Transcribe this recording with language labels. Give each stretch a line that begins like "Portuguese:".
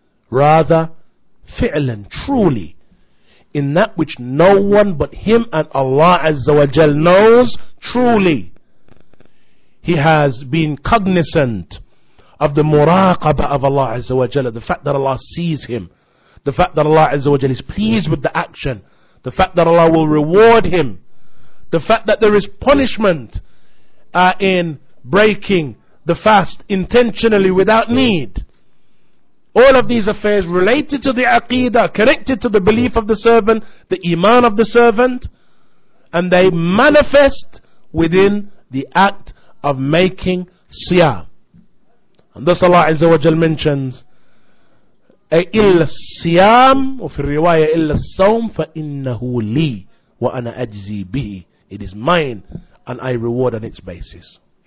English: Rather, fi'lan, truly, in that which no one but him and Allah Azza wa Jal knows, truly, he has been cognizant of the muraqabah of Allah Azza wa Jal, the fact that Allah sees him, the fact that Allah Azza wa Jal is pleased with the action, the fact that Allah will reward him, the fact that there is punishment in breaking the fast intentionally without need. All of these affairs related to the aqeedah, connected to the belief of the servant, the iman of the servant, and they manifest within the act of making siyah. And thus Allah Azza wa Jal mentions,
Arabic: إِلَّا السِّيَامُ وَفِي الرِّوَايَةِ إِلَّا السَّوْمُ فَإِنَّهُ لِي وأنا أجزي به.
English: It is mine and I reward on its basis.